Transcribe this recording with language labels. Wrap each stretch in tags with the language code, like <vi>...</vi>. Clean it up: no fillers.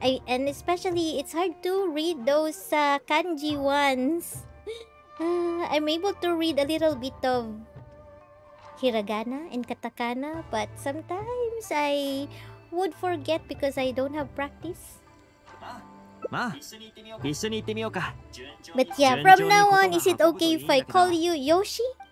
<en>And especially, it's hard to read those kanji ones. I'm able to read a little bit of hiragana and katakana, but sometimes I would forget because I don't have practice.</en> <ja>Ma, 一緒に行ってみようか。</ja> <en>But yeah, from now on, is it okay if I call you Yoshi?</en>